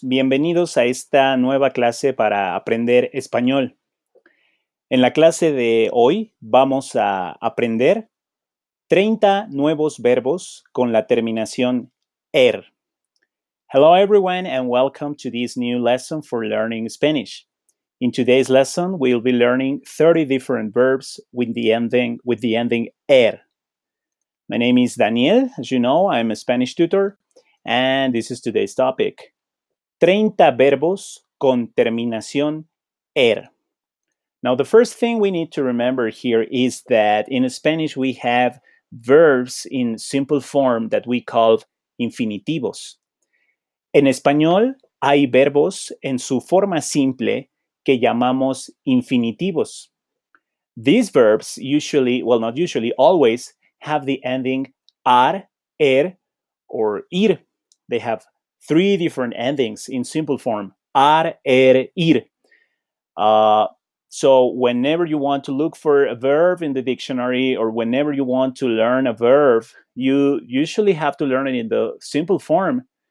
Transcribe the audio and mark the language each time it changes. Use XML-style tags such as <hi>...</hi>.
<es>Bienvenidos a esta nueva clase para aprender español. En la clase de hoy vamos a aprender 30 nuevos verbos con la terminación ER.</es> <en>Hello everyone and welcome to this new lesson for learning Spanish. In today's lesson, we'll be learning 30 different verbs with the ending ER. My name is Daniel. As you know, I'm a Spanish tutor. And this is today's topic.</en> <es>30 verbos con terminación ER.</es> <en>Now, the first thing we need to remember here is that in Spanish, we have verbs in simple form that we call infinitivos.</en> <es>En español, hay verbos en su forma simple que llamamos infinitivos.</es> <en>These verbs usually, well, not usually, always have the ending AR, ER, or IR. They have three different endings in simple form, AR, ER, IR. So whenever you want to look for a verb in the dictionary or whenever you want to learn a verb, you usually have to learn it in the simple form.</en>